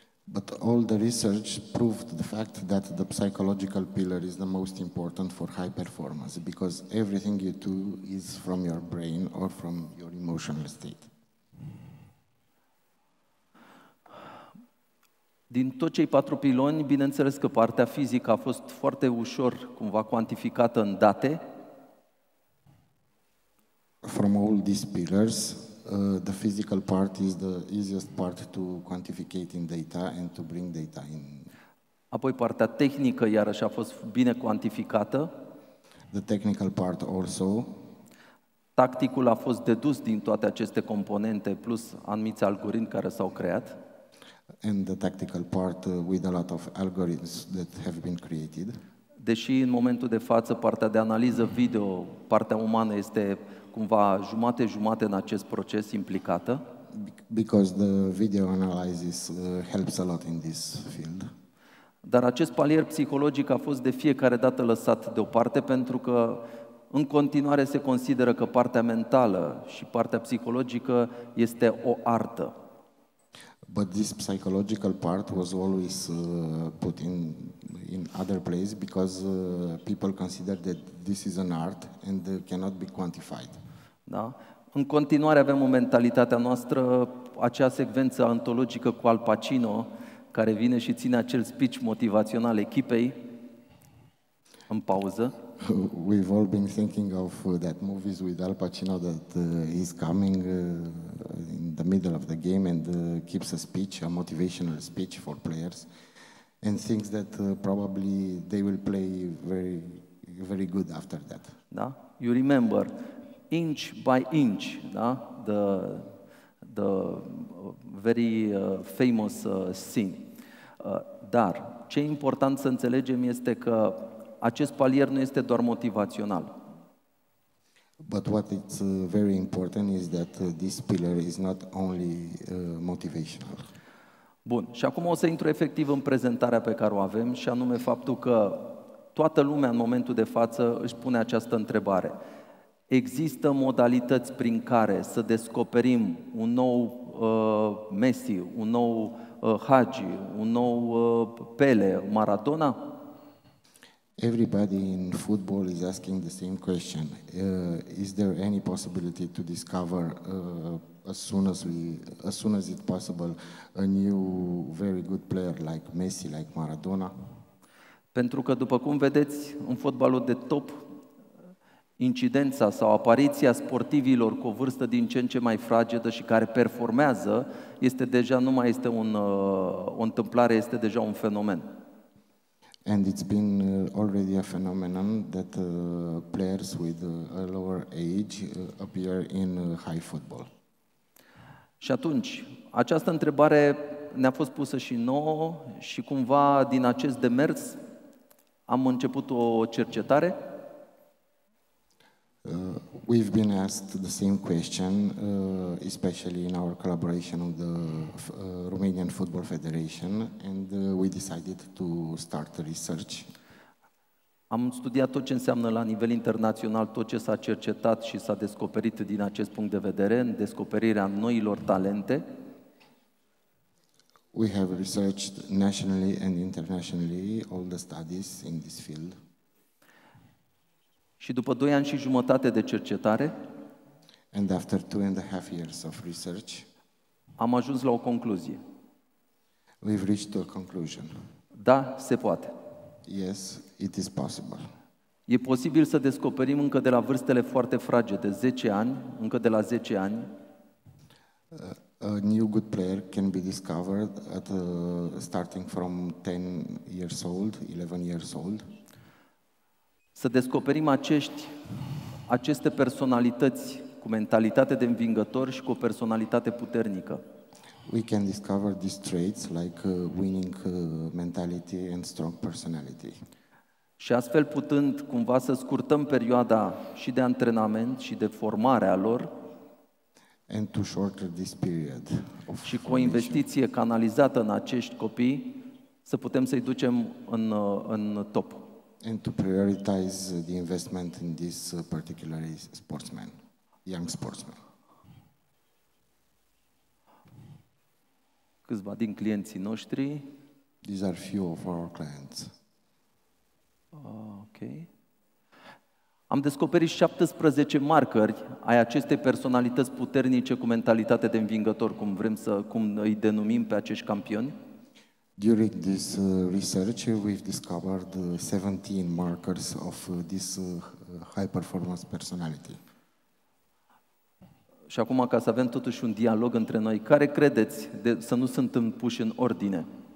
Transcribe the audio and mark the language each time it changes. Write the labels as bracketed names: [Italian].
[English] But all the research proved the fact that the psychological pillar is the most important for high performance because everything you do is from your brain or from your emotional state. [Romanian] Din tot cei patru piloni, bineînțeles că partea fizică a fost foarte ușor cumva cuantificată în date. [English] From all these pillars, the physical part is the easiest part to quantificate in data and to bring data in. [Romanian] Apoi partea tehnică iarăși a fost bine cuantificată. [English] The technical part also. [Romanian] Tacticul a fost dedus din toate aceste componente plus anumiți algoritmi care s-au creat. [English] And the tactical part with a lot of algorithms that have been created. [Romanian] Deși în momentul de față partea de analiză video, partea umană este cumva jumate-jumate în acest proces implicată. [English] Because the video analysis helps a lot in this field. [Romanian] Dar acest palier psihologic a fost de fiecare dată lăsat deoparte pentru că în continuare se consideră că partea mentală și partea psihologică este o artă. [English] But this psychological part was always put in other place because people consider that this is an art and cannot be quantified. [Romanian] Da? În continuare avem în mentalitatea noastră acea secvență antologică cu Al Pacino care vine și ține acel speech motivațional echipei în pauză. [English] We've all been thinking of that movies with Al Pacino that is coming in the middle of the game and keeps a speech, a motivational speech for players and thinks that probably they will play very, very good after that. Da? You remember, inch by inch, da? the very famous scene. [Romanian] Dar ce e important să înțelegem este că acest palier nu este doar motivațional. [English] But what is very important is that this pillar is not only motivational. [Romanian] Bun, și acum o să intru efectiv în prezentarea pe care o avem și anume faptul că toată lumea în momentul de față își pune această întrebare. Există modalități prin care să descoperim un nou Messi, un nou Hagi, un nou Pele, Maradona? [English] Everybody in football is asking the same question. Is there any possibility to discover as soon as it's possible a new very good player like Messi, like Maradona? [Romanian] Pentru că după cum vedeți, în fotbalul de top incidența sau apariția sportivilor cu o vârstă din ce în ce mai fragedă și care performează este deja nu mai este un o întâmplare, este deja un fenomen. [English] And it's been already a phenomenon that players with a lower age appear in high football. [Romanian] Și atunci, această întrebare ne-a fost pusă și nouă și cumva din acest demers am început o cercetare. [English] We've been asked the same question, especially in our collaboration with the Romanian Football Federation, and we decided to start research. [Romanian] Am studiat tot ce înseamnă la nivel internațional, tot ce s-a cercetat și s-a descoperit din acest punct de vedere, în descoperirea noilor talente. [English] We have researched nationally and internationally all the studies in this field. [Romanian] Și după 2 ani și jumătate de cercetare, [English] and after 2.5 years of research, [Romanian] am ajuns la o concluzie. [English] We've reached a conclusion. [Romanian] Da, se poate. [English] Yes, it is possible. [Romanian] E posibil să descoperim încă de la vârstele foarte fragede, 10 ani, încă de la 10 ani. [English] A new good player can be discovered at starting from 10 years old, 11 years old. [Romanian] Să descoperim aceste personalități cu mentalitate de învingător și cu o personalitate puternică. [English] We can discover these traits like winning mentality and strong personality. [Romanian] Și astfel putând cumva să scurtăm perioada și de antrenament și de formare a lor. [English] And to shorten this period of. [Romanian] Și cu o investiție canalizată în acești copii să putem să-i ducem în top. [English] And to prioritize the investment in this particular sportsman, young sportsman. [Romanian] Câțiva din clienții noștri. [English] These are few of our clients. Ok. [Romanian] Am descoperit 17 markeri ai acestei personalități puternice cu mentalitate de învingător, cum îi denumim pe acești campioni. [English] During this research, we've discovered 17 markers of this high-performance personality. [Romanian] Și acum, ca să avem totuși un dialog între noi, care credeți să nu sunt puși în ordine?